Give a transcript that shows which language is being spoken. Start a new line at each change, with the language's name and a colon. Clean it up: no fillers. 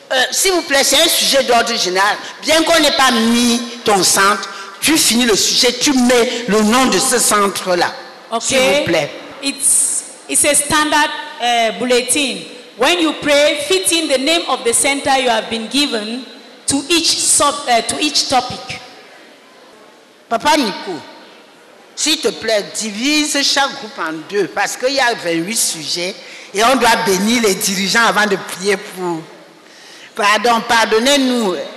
French: S'il vous plaît, c'est un sujet d'ordre général. Bien qu'on n'ait pas mis ton centre, tu finis le sujet, tu mets le nom de ce centre-là. Ok. S'il vous plaît.
English: It's a standard bulletin. When you pray, fit in the name of the center you have been given to each topic.
French: Papa Nico, s'il te plaît, divise chaque groupe en deux parce qu'il y a 28 sujets et on doit bénir les dirigeants avant de prier pour... Pardon, pardonnez-nous.